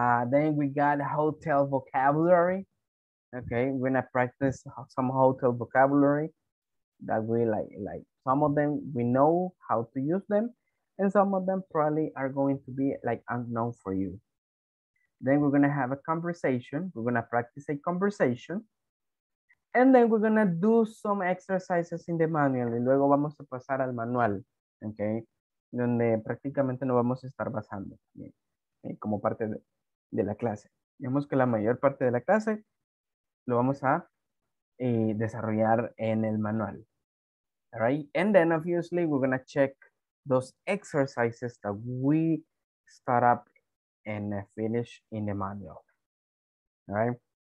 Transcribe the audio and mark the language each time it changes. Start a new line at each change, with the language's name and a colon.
English: Then we got hotel vocabulary. Okay, we're gonna practice some hotel vocabulary that we like some of them we know how to use them, and some of them probably are going to be like unknown for you. Then we're gonna have a conversation. We're gonna practice a conversation. And then we're gonna do some exercises in the manual.
Spanish: Y luego vamos a pasar al manual, okay? Donde prácticamente nos vamos a estar basando como parte de la clase. Digamos que la mayor parte de la clase lo vamos a desarrollar en el manual,
English: all right? And then obviously we're gonna check those exercises that we start up and finish in the manual, all right?